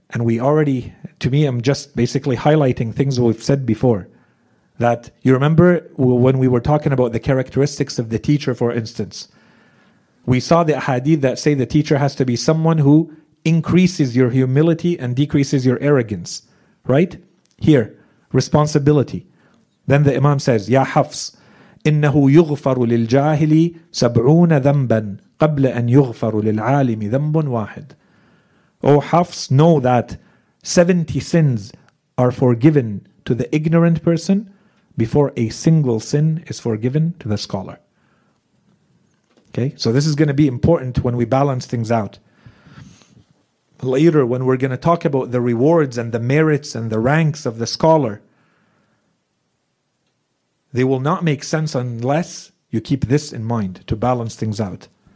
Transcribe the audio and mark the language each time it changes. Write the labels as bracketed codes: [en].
[en] And we already, to me, I'm just basically highlighting things we've said before. That you remember when we were talking about the characteristics of the teacher, for instance. We saw the hadith that say the teacher has to be someone who increases your humility and decreases your arrogance. Right? Here, responsibility. Then the Imam says, [ar] Ya Hafs, إنه يغفر للجاهل سبعون ذنبا قبل أن يغفر للعالم ذنب واحد. [en] O Hafs, know that 70 sins are forgiven to the ignorant person before a single sin is forgiven to the scholar. Okay, so this is going to be important when we balance things out. Later, when we're going to talk about the rewards and the merits and the ranks of the scholar, they will not make sense unless you keep this in mind to balance things out.